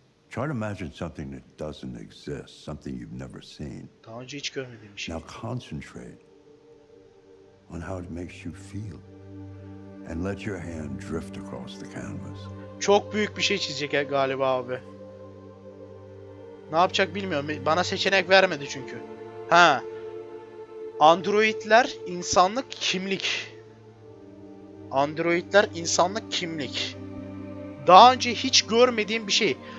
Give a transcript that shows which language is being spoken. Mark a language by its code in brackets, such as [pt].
[en] Try to imagine something that doesn't exist, something you've never seen. [tr] Daha önce hiç görmediğim bir şey. [en] Now concentrate on how it makes you feel. and let your hand drift across the canvas. [tr] Çok büyük bir şey çizecek galiba abi. Ne yapacak bilmiyorum. Bana seçenek vermedi çünkü. Ha. Androidler insanlık kimlik. Androidler insanlık kimlik. Daha önce hiç görmediğim bir şey.